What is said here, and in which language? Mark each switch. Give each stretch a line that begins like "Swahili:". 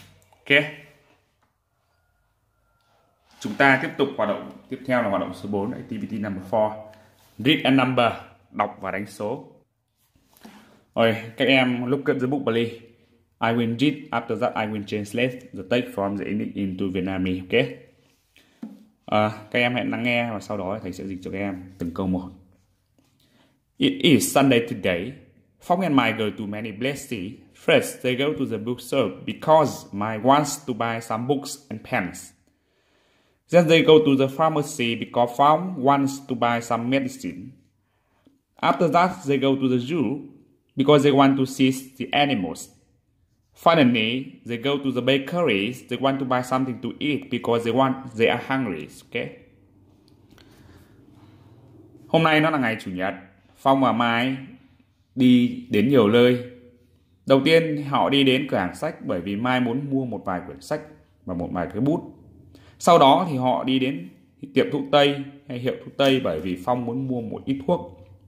Vietnamese: Ok. Chúng ta tiếp tục hoạt động tiếp theo là hoạt động số 4,
English: activity number 4. Read and number,
Vietnamese: đọc và đánh số. Rồi, các em
English: look at the book, please. I will read, after that I will translate the text from the English into Vietnamese. Ok.
Vietnamese: Các em hãy lắng nghe và sau đó thầy sẽ dịch cho các em từng câu một.
English: It is Sunday today. Phong and Mai go to many places. First, they go to the bookshop because Mai wants to buy some books and pens. Then they go to the pharmacy because Phong wants to buy some medicine. After that, they go to the zoo because they want to see the animals. Finally, they go to the bakery. They want to buy something to eat because they are hungry. Okay.
Vietnamese: Hôm nay nó là ngày chủ nhật. Phong và Mai đi đến nhiều nơi. Đầu tiên họ đi đến cửa hàng sách bởi vì Mai muốn mua một vài quyển sách và một vài cái bút. Sau đó thì họ đi đến tiệm thuốc tây hay hiệu thuốc tây bởi vì Phong muốn mua một ít thuốc.